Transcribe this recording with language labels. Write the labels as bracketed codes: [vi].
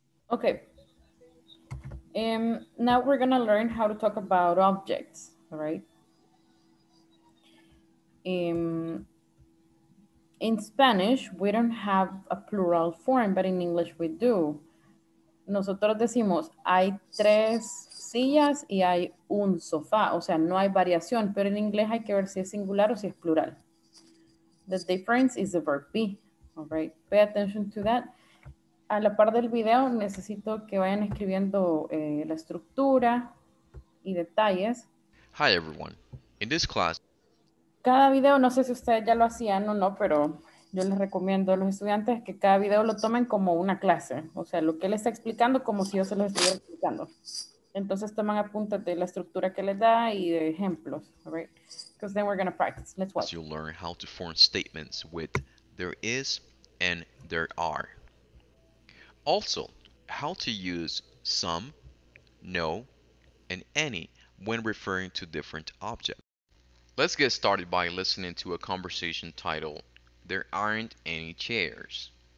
[en] Okay. Now we're gonna learn how to talk about objects, all right? In Spanish, we don't have a plural form, but in English we do. [es] Nosotros decimos, hay tres sillas y hay un sofá, o sea, no hay variación, pero en inglés hay que ver si es singular o si es plural. [en] The difference is the verb be, all right? Pay attention to that. [es] A la par del video, necesito que vayan escribiendo la estructura y detalles. [en] Hi everyone, in this class... [es] Cada video, no sé si ustedes ya lo hacían o no, pero yo les recomiendo a los estudiantes que cada video lo tomen como una clase, o sea, lo que él está explicando como si yo se lo estuviera explicando. Entonces toman apuntes de la estructura que les da y de ejemplos, [en] all right? Because then we're going to practice. Let's watch. So you'll learn how to form statements with there is and there are. Also, how to use some, no, and any when referring to different objects. Let's get started by listening to a conversation titled There Aren't Any Chairs.